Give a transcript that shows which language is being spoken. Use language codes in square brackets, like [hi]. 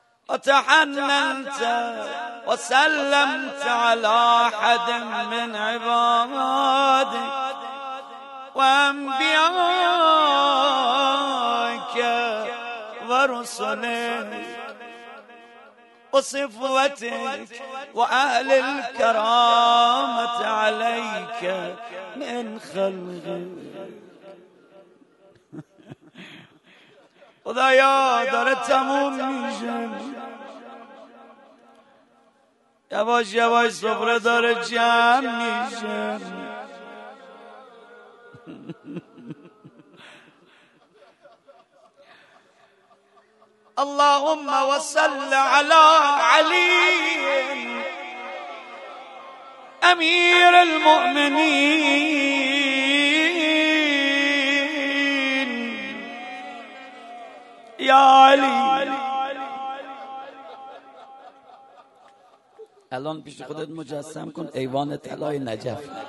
[ar] وتحننت وسلمت على أحد من عبادك وأنبيائك ورسلك وصفوتك وأهل الكرامة عليك من خلقك. [fa] خدایا داره تموم میشه، یواش یواش سفره داره جمع میشه. [ar] اللهم وصل على علي امير المؤمنين يا علي. [fa] الان پیش خودت مجسم کن ایوان طلای نجف.